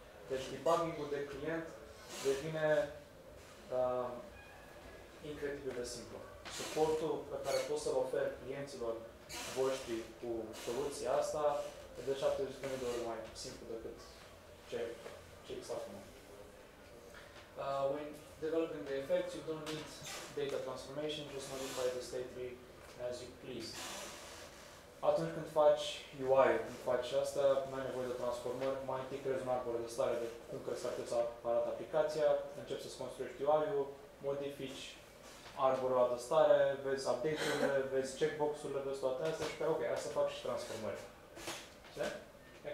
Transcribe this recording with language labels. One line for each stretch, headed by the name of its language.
Romanian: Deci debugging-ul de client devine incredibil de simplu. Suportul pe care poți să-l oferi clienților voștri cu soluția asta e de 700 de ori mai simplu decât ce exact cum.
English: When developing the effects, you don't need data transformation, just modify the state tree as you please.
Romanian: Atunci când faci UI, când faci asta, nu ai nevoie de transformări, mai întâi creezi un arbore de stare de cum crezi că ar trebui să arată aplicația, începi să-ți construiești UI-ul, modifici arborul de stare, vezi update-urile, vezi checkbox-urile, vezi toate astea și pe ok, asta fac și transformări. Știi?